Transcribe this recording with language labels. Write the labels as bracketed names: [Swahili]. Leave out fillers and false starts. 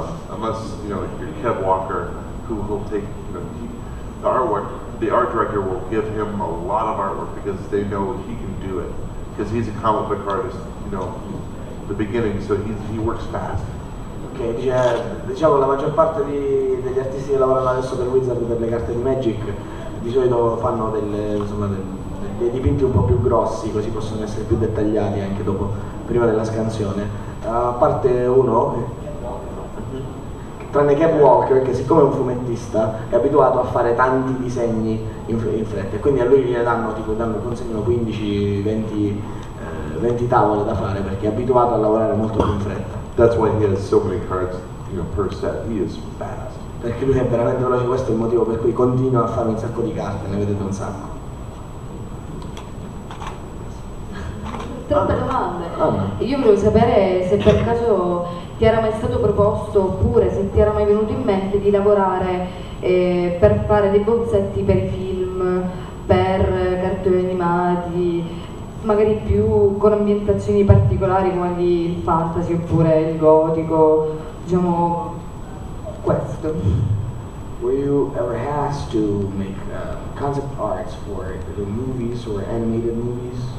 [English] Unless, you know, if you're Kev Walker, who will take, you know, the art director will give him a lot of artwork because they know he can do it. Because he's a comic book artist, you know, the beginning, so he works fast. [Italian] Okay, diciamo la maggior parte degli artisti che lavorano adesso per Wizard per le carte di Magic di solito fanno dei dipinti un po' più grossi, così possono essere più dettagliati anche dopo, prima della scansione. A parte uno, tranne Kev Walker, che siccome è un fumettista, è abituato a fare tanti disegni in fretta, e quindi a lui gliene danno, tipo, danno, consegnano 20 tavole da fare, perché è abituato a lavorare molto più in fretta. [English] That's why he has so many cards, you know, per set. He is fast. [Italian] Perché lui è veramente veloce, questo è il motivo per cui continua a fare un sacco di carte, ne vedete un sacco. Troppe domande. Io volevo sapere se per caso ti era mai stato proposto, oppure se ti era mai venuto in mente di lavorare per fare dei bozzetti per i film, per cartoni animati, magari più con ambientazioni particolari come il fantasy oppure il gotico, diciamo questo. [English] Were you ever asked to make concept arts for the movies or animated movies?